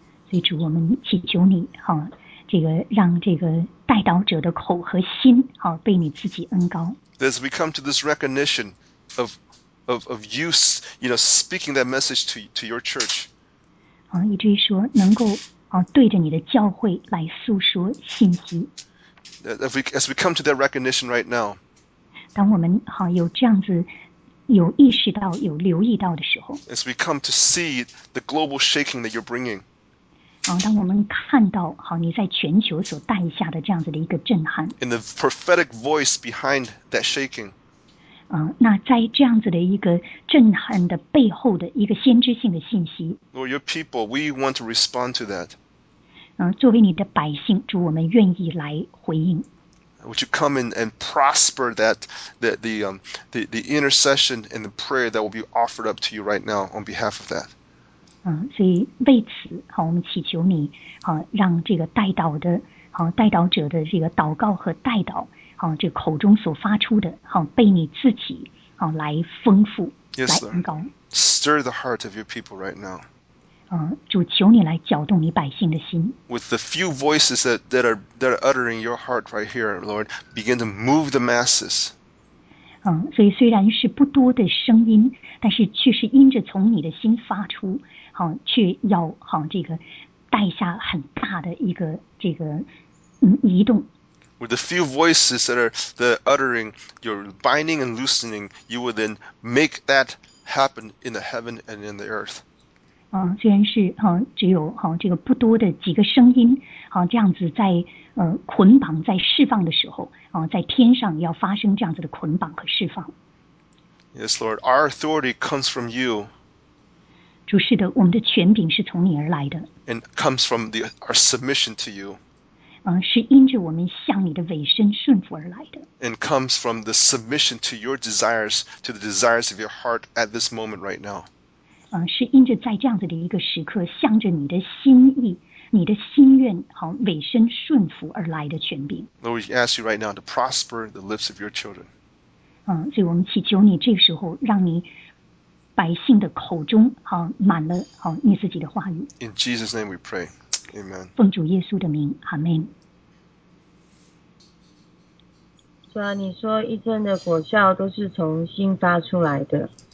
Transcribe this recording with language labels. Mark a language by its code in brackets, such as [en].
[zh] 所以主，我们祈求你这个让这个代祷者的口和心被你自己恩膏。 [en] As we come to this recognition of you, you know, speaking that message to your church. [zh] 以至于说能够对着你的教会来诉说信息。 [en] As we come to that recognition right now. [zh] 当我们有这样子有意识到有留意到的时候。 [en] As we come to see the global shaking that you're bringing. [zh] 当我们看到你在全球所带下的这样子的一个震撼 [en] ，In the prophetic voice behind that shaking， [zh] 那在这样子的一个震撼的背后的一个先知性的信息 [en] ，Lord, your people, we want to respond to that。 [zh] 作为你的百姓，主，我们愿意来回应。 [en] Would you come and prosper the intercession and the prayer that will be offered up to you right now on behalf of that？ [zh] 所以为此我们祈求你让这个代祷的代祷者的这个祷告和代祷这口中所发出的被你自己来丰富 [en] yes, [zh] 来恩膏 [en] Stir the heart of your people right now. [zh] 主求你来搅动你百姓的心 [en] With the few voices that are uttering your heart right here, Lord, begin to move the masses. [zh] 所以虽然是不多的声音但是却是因着从你的心发出却要这个带下很大的一个这个移动。 [en] With the few voices that are uttering your binding and loosening, you will then make that happen in the heaven and in the earth. [zh] 虽然是只有这个不多的几个声音这样子在捆绑在释放的时候在天上要发生这样子的捆绑和释放。 [en] Yes, Lord, our authority comes from you. [zh] 主是的，我们的权柄是从你而来的。 [en] And comes from our submission to you. [zh] 是因着我们向你的委身顺服而来的。 [en] And comes from the submission to your desires, to the desires of your heart at this moment right now. [zh] 是因着在这样子的一个时刻，向着你的心意、你的心愿，委身顺服而来的权柄。 [en] Lord, we ask you right now to prosper the lips of your children. [zh] 所以我们祈求你这个时候让你百姓的口中满了你自己的话语。 [en] In Jesus' name we pray. Amen. [zh] 奉主耶稣的名 ，Amen。主啊，你说一天的果效都是从心发出来的。